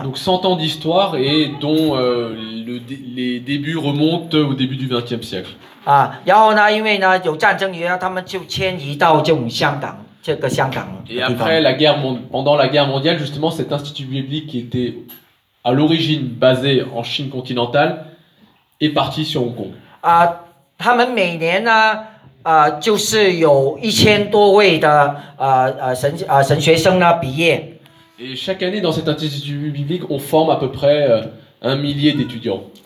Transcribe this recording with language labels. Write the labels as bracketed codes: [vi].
[fr] Donc 100 ans d'histoire et dont les débuts remontent au début du 20e siècle. [zh] 然后呢，因为呢有战争，然后他们就迁移到这种香港，这个香港。 [fr] Et après la guerre pendant la guerre mondiale, justement, cet institut biblique qui était à l'origine basé en Chine continentale est parti sur Hong Kong. [zh] 他们每年呢，就是有1000多位的神学生呢毕业。 [fr] Et chaque année dans cet institut biblique, on forme à peu près un millier d'étudiants.